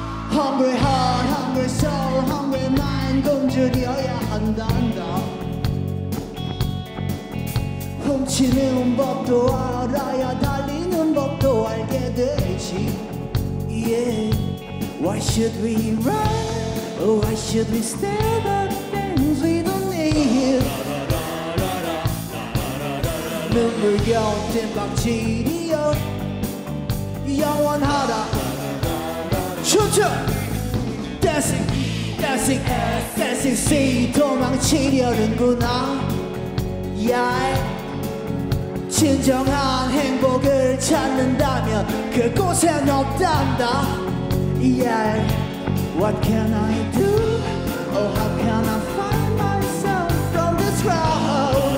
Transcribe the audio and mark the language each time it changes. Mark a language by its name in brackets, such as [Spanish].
[English] Hungry heart, hungry soul, hungry mind [Korean] 굶주려야 한단다 훔치는 법도 알아야 달리는 법도 알게 되지 Yeah. [English] Why should we run? Why should we stand up things we don't need? [Korean] 눈물겨 뜀박질이여 영원하다 춤춰 [English] Dancing, dancing, dancing, see [Korean] 도망치려는구나 yeah. 진정한 행복을 찾는다면 그곳엔 없단다 yeah. [English] What can I do? Oh, how can I find myself from this crowd?